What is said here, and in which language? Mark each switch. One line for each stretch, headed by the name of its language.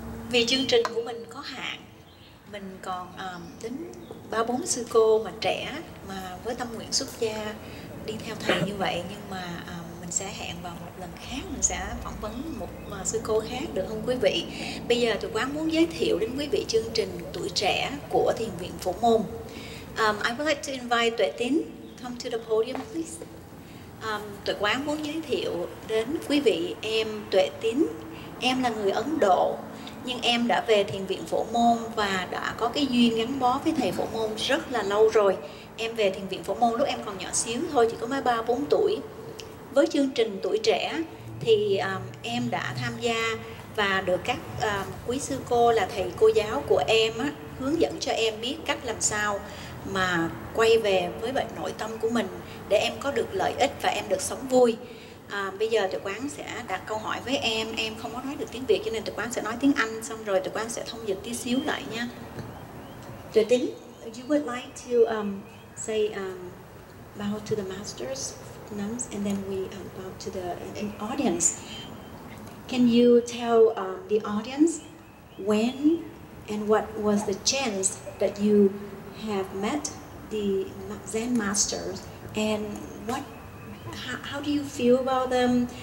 Vietnamese: Vì chương trình của mình có hạn, mình còn đến 3-4 sư cô mà trẻ mà với tâm nguyện xuất gia đi theo thầy như vậy, nhưng mà mình sẽ hẹn vào một lần khác mình sẽ phỏng vấn một sư cô khác được không quý vị? Bây giờ tụi quán muốn giới thiệu đến quý vị chương trình Tuổi Trẻ của Thiền Viện Phổ Môn.
English: I would like to invite Tuệ Tín come to the podium please.
Vietnamese: Tụi quán muốn giới thiệu đến quý vị em Tuệ Tín. Em là người Ấn Độ, nhưng em đã về Thiền Viện Phổ Môn và đã có cái duyên gắn bó với thầy Phổ Môn rất là lâu rồi. Em về Thiền Viện Phổ Môn lúc em còn nhỏ xíu thôi, chỉ có mới 3-4 tuổi. Với chương trình Tuổi Trẻ thì em đã tham gia và được các quý sư cô là thầy cô giáo của em hướng dẫn cho em biết cách làm sao mà quay về với bệnh nội tâm của mình để em có được lợi ích và em được sống vui. Bây giờ tụi quán sẽ đặt câu hỏi với em. Em không có nói được tiếng Việt cho nên tụi quán sẽ nói tiếng Anh, xong rồi tụi quán sẽ thông dịch tí xíu lại nha.
English: Tuệ Tín, you would like to say bow to the masters, nuns, and then we bow to the audience. Can you tell the audience when and what was the chance that you have met the Zen masters, and what how do you feel about them?